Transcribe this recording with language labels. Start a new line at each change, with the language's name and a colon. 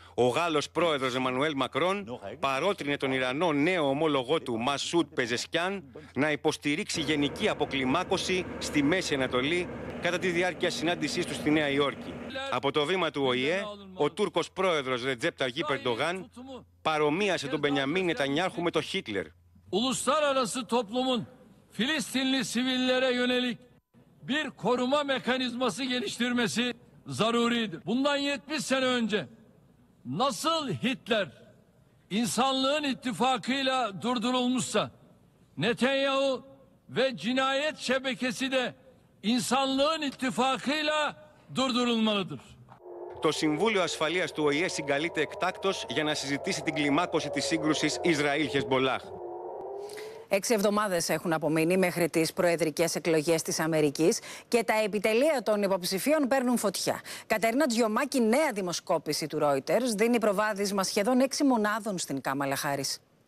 Greek: Ο Γάλλος πρόεδρος Εμμανουέλ Μακρόν παρότρινε τον Ιρανό νέο ομολογό του Μασούντ Πεζεσκιάν να υποστηρίξει γενική αποκλιμάκωση στη Μέση Ανατολή κατά τη διάρκεια συνάντησής του στη Νέα Υόρκη. Από το βήμα του ΟΗΕ, ο Τούρκος πρόεδρος Ρετζέπ Ταγίπ Ερντογάν παρομοίασε τον Μπενιαμίν Νετανιάχου με τον Χίτλερ.
Turkish: Uluslararası toplumun Filistinli sivillere yönelik bir koruma mekanizması geliştirmesi zaruridir. Bundan 70 sene önce nasıl Hitler insanlığın ittifakıyla durdurulmuşsa Netanyahu ve cinayet şebekesi de insanlığın ittifakıyla durdurulmalıdır.
Greek: Το Συμβούλιο Ασφαλείας του ΟΗΕ συγκαλείται εκτάκτως για να συζητήσει την κλιμάκωση της σύγκρουσης Ισραήλ-Χεζμπολάχ. 6 εβδομάδες έχουν απομείνει μέχρι τις προεδρικές εκλογές της Αμερικής και τα επιτελεία των υποψηφίων παίρνουν φωτιά. Κατερίνα Τζιωμάκη, νέα δημοσκόπηση του Reuters, δίνει προβάδισμα σχεδόν 6 μονάδων στην Κάμαλα Χάρις.